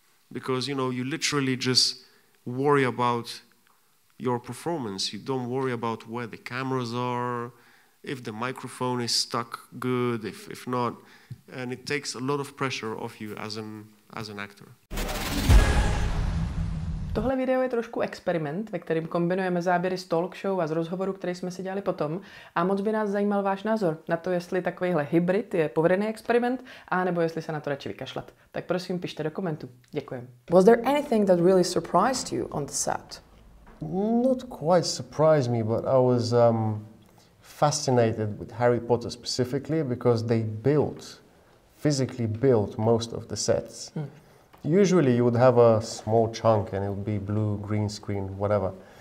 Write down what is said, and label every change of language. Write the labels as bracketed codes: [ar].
[en] Because, you know, you literally just worry about your performance. You don't worry about where the cameras are, if the microphone is stuck good, if not. And it takes a lot of pressure off you as an actor. [cs] Tohle video je trošku experiment, ve kterém kombinujeme záběry z talk show a z rozhovoru, který jsme si dělali potom. A moc by nás zajímal váš názor na to, jestli takovýhle hybrid je povedený experiment, a nebo jestli se na to radši vykašlat. Tak prosím, pište do komentů. Děkujem. [en] Was there anything that really surprised you on the set? Not quite surprised me, but I was fascinated with Harry Potter specifically because they physically built most of the sets. Usually you would have a small chunk and it would be blue, green screen, whatever.